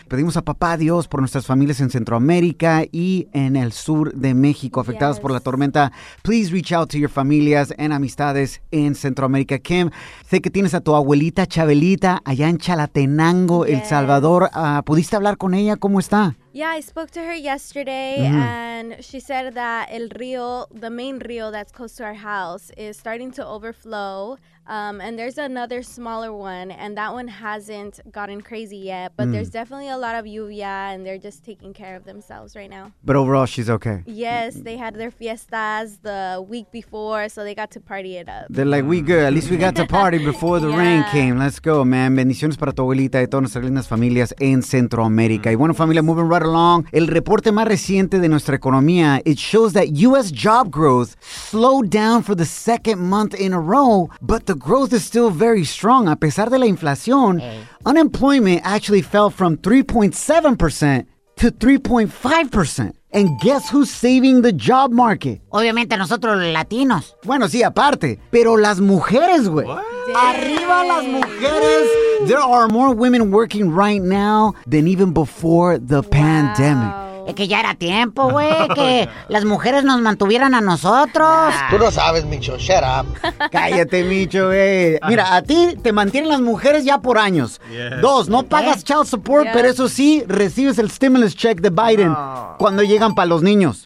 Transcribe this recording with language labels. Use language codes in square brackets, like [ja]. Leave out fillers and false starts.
[es] Pedimos a papá Dios por nuestras familias en Centroamérica y en el sur de México afectadas por la tormenta. [en] Please reach out to your familias and amistades in Centroamérica. [es] Kim, sé que tienes a tu abuelita Chabelita allá en Chalatenango, El Salvador. ¿Pudiste hablar con ella? ¿Cómo está? [en] Yeah, I spoke to her yesterday, and she said that [es] el río, [en] the main río that's close to our house, is starting to overflow, and there's another smaller one, and that one hasn't gotten crazy yet, but there's definitely a lot of lluvia, and they're just taking care of themselves right now. But overall, she's okay. Yes, they had their fiestas the week before, so they got to party it up. They're like, we good. At least we got to party before the rain came. Let's go, man. [es] Bendiciones para tu abuelita y todas nuestras lindas familias en Centroamérica. Y bueno, familia, [en] moving right along. [es] El reporte más reciente de nuestra economía, [en] it shows that U.S. job growth slowed down for the second month in a row, but the growth is still very strong. [es] A pesar de la inflación, [en] unemployment actually fell from 3.7% to 3.5%. And guess who's saving the job market? [es] Obviamente nosotros los latinos. Bueno, sí, aparte. Pero las mujeres, güey. Arriba las mujeres. Woo. [en] There are more women working right now than even before the pandemic. [es] Es que ya era tiempo, güey, que las mujeres nos mantuvieran a nosotros. Tú no sabes, Micho, [en] shut up. [es] Cállate, Micho, güey. Mira, a ti te mantienen las mujeres ya por años. Dos, no pagas child support, pero eso sí, recibes el stimulus check de Biden cuando llegan para los niños.